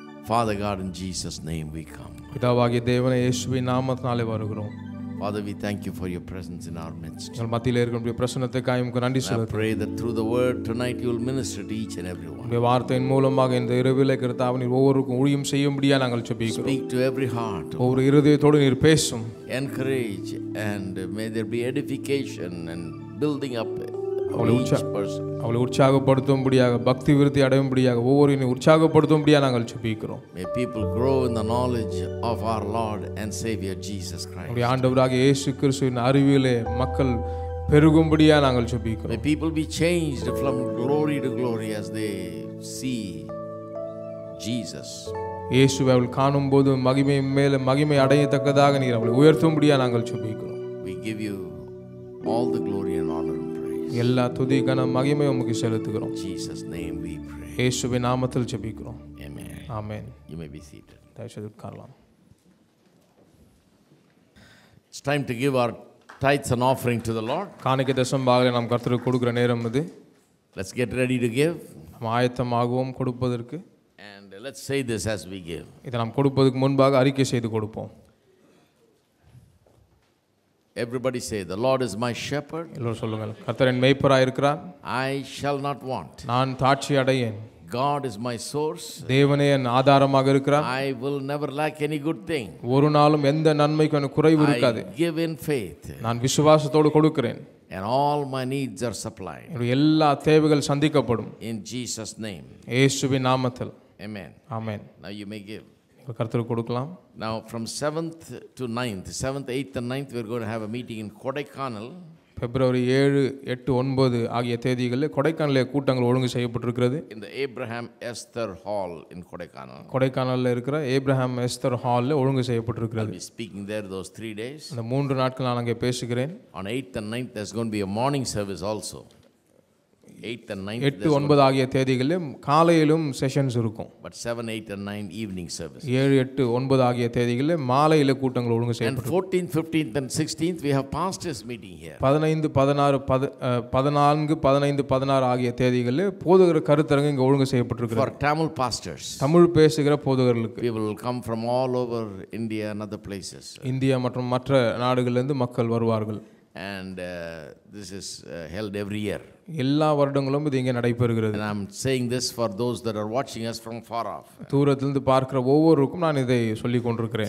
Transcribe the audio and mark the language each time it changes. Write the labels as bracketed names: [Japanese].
[English] Father God, in Jesus' name we come. [Tamil] பிதாவாகிய தேவனே, இயேசுவின் நாமத்தினாலே வருகிறோம். [English] Father, we thank you for your presence in our midst. [Tamil] நம் மத்தியிலே இருக்கிற பிரசன்னத்தைக்காய் உமக்கு நன்றி செலுத்துகிறோம். [English] I pray that through the word tonight you will minister to each and every one. [Tamil] உம்முடைய வார்த்தையின் மூலமாக இந்த இரவிலே கர்த்தாவே நீர் ஒவ்வொருவருக்கும் ஊழியம் செய்யும்படியாக நாங்கள் ஜெபிக்கிறோம். [English] Speak to every heart. [Tamil] ஒவ்வொரு இருதயத்தோடு நீர் பேசும். [English] Encourage and may there be edification and building up. [Tamil] அவளை உற்சாகப்படுத்தும்படியாக பக்தி விருத்தி அடையும்படியாக ஒவ்வொரு உற்சாகப்படுத்தும்படியாக நாங்கள் ஜெபிக்கிறோம். [English] May people grow in the knowledge of our Lord and Savior Jesus Christ. [Tamil] நம்முடைய ஆண்டவராகிய இயேசு கிறிஸ்துவின் அறிவிலே மக்கள் பெருகும்படியாக நாங்கள் ஜெபிக்கிறோம். [English] May people be changed from glory to glory as they see Jesus. [Tamil] இயேசுவை அவள் காணும் போது மகிமை மேல் மகிமை அடையத்தக்கதாக நீர் அவளை உயர்த்தும்படியாக நாங்கள் ஜெபிக்கிறோம். [English] We give you all the glory and honor. [Tamil] எல்லா துதி கன மகிமை உமக்கு செலுத்துகிறோம். [English] Jesus name we pray. [Tamil] இயேசுவின் நாமத்தில் ஜெபிக்கிறோம். ஆமென். ஆமென். [English] You may be seated. [Tamil] தயவுசெய்து உட்காரலாம். [English] It's time to give our tithes and offering to the Lord. [Tamil] காணிக்கை தசமபாக நாம் கர்த்தருக்கு கொடுக்கிற நேரம் இது. [English] Let's get ready to give. [Tamil] நாம் ஆயத்தமாகவும் கொடுப்பதற்கு. [English] And let's say this as we give. [Tamil] இதை நாம் கொடுப்பதற்கு முன்பாக அறிக்கை செய்து கொடுப்போம். [English] Everybody say, the Lord is my shepherd. [Tamil] எல்லோரும் சொல்லுங்கள், கர்த்தர் என் மேய்ப்பராய் இருக்கிறார். [English] I shall not want. [Tamil] நான் தாட்சி அடையேன். [English] God is my source. [Tamil] தேவனே என் ஆதாரமாக இருக்கிறார். [English] I will never lack any good thing. [Tamil] ஒரு நாளும் எந்த நன்மைக்கும் எனக்கு குறைவு இருக்காது. [English] I give in faith. [Tamil] நான் விசுவாசத்தோடு கொடுக்கிறேன். [English] And all my needs are supplied. [Tamil] எல்லா தேவைகள் சந்திக்கப்படும். [English] In Jesus name. [Tamil] இயேசுவின் நாமத்தில். [English] Amen. Amen. Now you may give. [Tamil] கர்த்தருக்கு கொடுக்கலாம். [English] Now from 7th to 9th, 7th, 8th and 9th, we're going to have a meeting in Kodaikanal. [Tamil] February 7, 8, 9 ஆகிய தேதிகளில் கொடைக்கானலில் கூட்டங்கள் ஒழுங்கு செய்யப்பட்டிருக்கிறது. [English] In the Abraham Esther Hall in Kodaikanal. [Tamil] கொடைக்கானலில் இருக்கிற Abraham Esther Hall ஒழுங்கு செய்யப்பட்டிருக்கிறது. [English] I'll be speaking there those 3 days. [Tamil] அந்த 3 நாட்கள் நான் அங்கே பேசுகிறேன். [English] On 8th and 9th, there's going to be a morning service also. 8 and 9 [Tamil] 8 9 ஆகிய தேதிகளிலும் காலையிலும் செஷன்ஸ் இருக்கும். [English] But 7 8 and 9 evening service. [Tamil] 7 8 9 ஆகிய தேதிகளிலே மாலையில கூட்டங்கள் ஒழுங்கு செய்யப்படும். [English] And 14 15th and 16th we have pastors meeting here. [Tamil] 14 15 16 ஆகிய தேதிகளிலே போதகர் கருத்தரங்கு இங்க ஒழுங்கு செய்யப்பட்டிருக்கிறது. [English] For Tamil pastors. [Tamil] தமிழ் பேசுகிற போதகர்களுக்கு. [English] We will come from all over India and other places. [Tamil] India மற்றும் மற்ற நாடுகளில இருந்து மக்கள் வருவார்கள். [English] And this is held every year. [Tamil] எல்லா வருடங்களும் இது இங்கே நடைபெறுகிறது. [English] And I'm saying this for those that are watching us from far off. [Tamil] தூரத்திலிருந்து பார்க்கிற ஒவ்வொருவருக்கும் நான் இதை சொல்லிக் கொண்டிருக்கிறேன்.